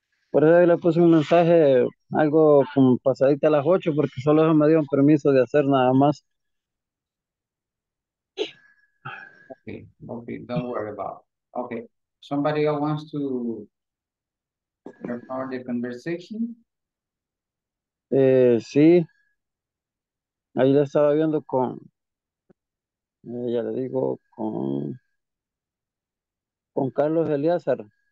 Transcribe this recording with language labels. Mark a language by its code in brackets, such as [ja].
[es] Por eso le puse un mensaje, algo como pasadita a las 8, porque solo eso me dio un permiso de hacer nada más. [en] Okay, don't worry about it. Okay, somebody else wants to record the conversation? [es] Sí. Ahí la estaba viendo con, ya le digo, con Carlos Eliazar.